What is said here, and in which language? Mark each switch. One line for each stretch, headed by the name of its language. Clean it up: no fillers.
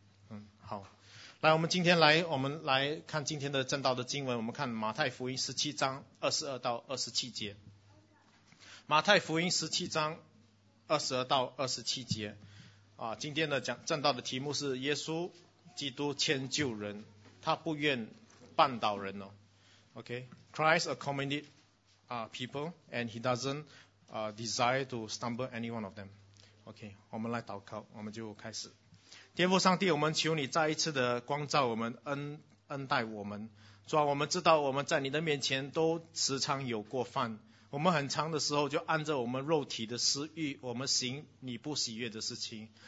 Chinese: 嗯，好，来，我们来看今天的正道的经文，我们看马太福音十七章二十二到二十七节。马太福音十七章二十二到二十七节，啊，今天的正道的题目是耶稣基督迁就人，他不愿绊倒人哦。
English: OK，Christ accommodated。 people and he doesn't desire to stumble any one of them.
Chinese: OK， 我们来祷告，我们就开始。天父上帝，我们求你再一次的光照我们，恩待我们。主啊，我们知道我们在你的面前都时常有过犯，我们很长的时候就按着我们肉体的私欲，我们行你不喜悦的事情。